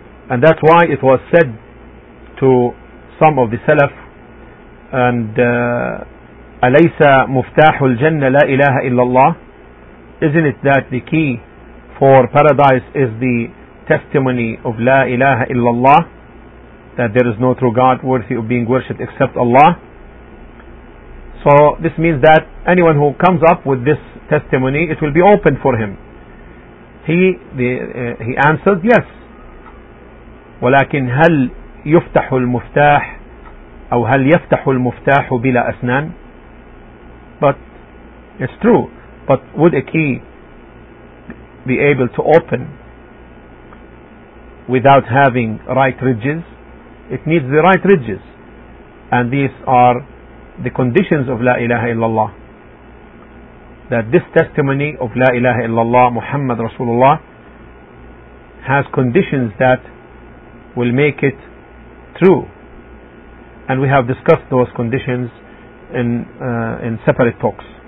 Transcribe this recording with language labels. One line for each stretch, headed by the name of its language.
English: And that's why it was said to some of the Salaf, and
Arabic: أليس مفتاح الجنة لا إله إلا الله,
English: isn't it that the key for paradise is the testimony of
Arabic: لا إله إلا الله,
English: that there is no true God worthy of being worshipped except Allah. So this means that anyone who comes up with this testimony, it will be open for him. He answered yes,
Arabic: ولكن هل يفتح المفتاح أو هل يفتح المفتاح بلا أسنان.
English: But it's true, but would a key be able to open without having right ridges? It needs the right ridges, and these are the conditions of La ilaha illallah, that this testimony of La ilaha illallah Muhammad Rasulullah has conditions that will make it true, and we have discussed those conditions in separate talks.